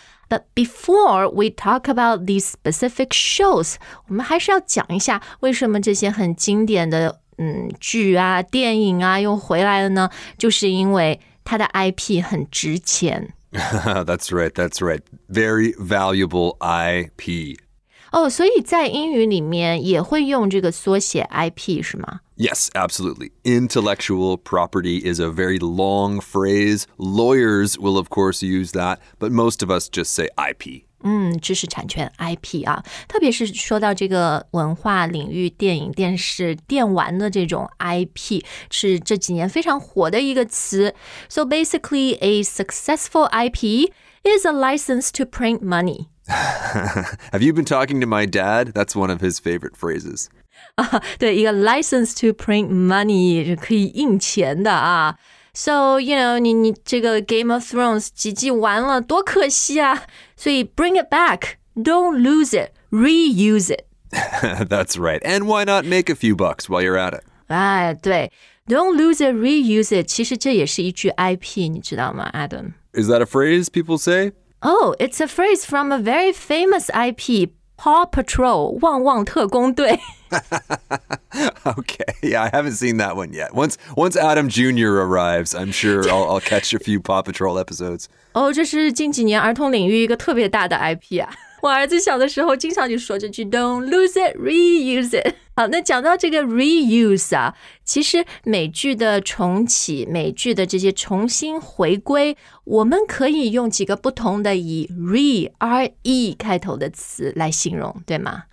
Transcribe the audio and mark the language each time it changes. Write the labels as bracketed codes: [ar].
[en] But before we talk about these specific shows, [zh] 我们还是要讲一下为什么这些很经典的剧啊电影啊又回来了呢，就是因为它的 IP 很值钱。 [en] That's right, that's right. Very valuable IP. [zh] 哦、oh, 所以在英语里面也会用这个缩写 IP 是吗？ [en] Yes, absolutely. Intellectual property is a very long phrase. Lawyers will of course use that, but most of us just say IP. [zh] 知识产权 IP 啊，特别是说到这个文化领域，电影、电视、电玩的这种 IP 是这几年非常火的一个词。 [en] So basically, a successful IP is a license to print money. Have you been talking to my dad? That's one of his favorite phrases. [zh] 对，一个 [en] license to print money [zh] 是可以印钱的啊。 [en] So, you know, [zh] 你这个 Game of Thrones 几季完了，多可惜啊。所以 [en] bring it back, don't lose it, reuse it. That's right. And why not make a few bucks while you're at it? [zh] 哎，对， [en] don't lose it, reuse it. [zh] 其实这也是一句 IP, 你知道吗， Adam? [en] Is that a phrase people say? Oh, it's a phrase from a very famous IP, Paw Patrol, 汪汪特工队。 Okay, yeah, I haven't seen that one yet. Once Adam Jr. arrives, I'm sure I'll catch a few Paw Patrol episodes. [zh] Oh, 这是近几年儿童领域一个特别大的 IP 啊。我儿子小的时候经常就说这句 [en] Don't lose it, reuse it. [zh] 好，那讲到这个 reuse 啊，其实美剧的重启，美剧的这些重新回归，我们可以用几个不同的以 re 开头的词来形容，对吗？